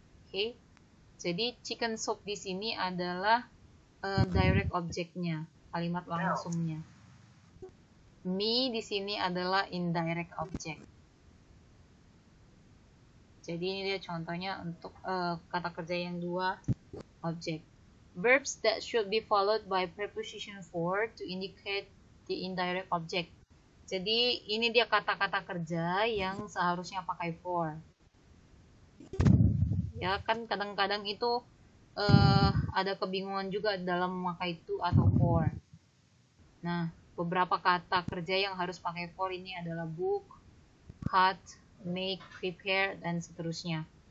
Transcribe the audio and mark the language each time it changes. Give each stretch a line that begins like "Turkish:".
Indonesian: Okay, jadi chicken soup di sini adalah direct objectnya, kalimat langsungnya. Me di sini adalah indirect object. Jadi ini dia contohnya untuk kata kerja yang dua objek.
English: Verbs that should be followed by preposition for to indicate the indirect object.
Indonesian: Jadi ini dia kata-kata kerja yang seharusnya pakai for. Ya kan kadang-kadang itu ada kebingungan juga dalam memakai to atau for. Nah, beberapa kata kerja yang harus pakai for ini adalah book, cut, make, prepare, dan seterusnya.